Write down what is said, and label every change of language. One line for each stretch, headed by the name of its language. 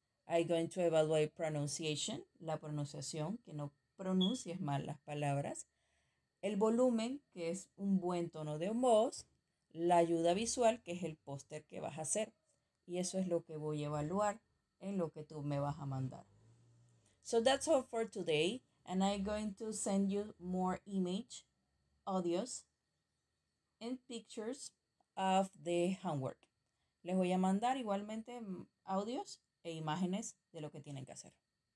English: I'm going to evaluate pronunciation,
Spanish: la pronunciación, que no pronuncies mal las palabras. El volumen, que es un buen tono de voz. La ayuda visual, que es el póster que vas a hacer. Y eso es lo que voy a evaluar en lo que tú me vas a mandar.
English: So that's all for today. And I'm going to send you more image, audios, and pictures of the homework.
Spanish: Les voy a mandar igualmente audios e imágenes de lo que tienen que hacer.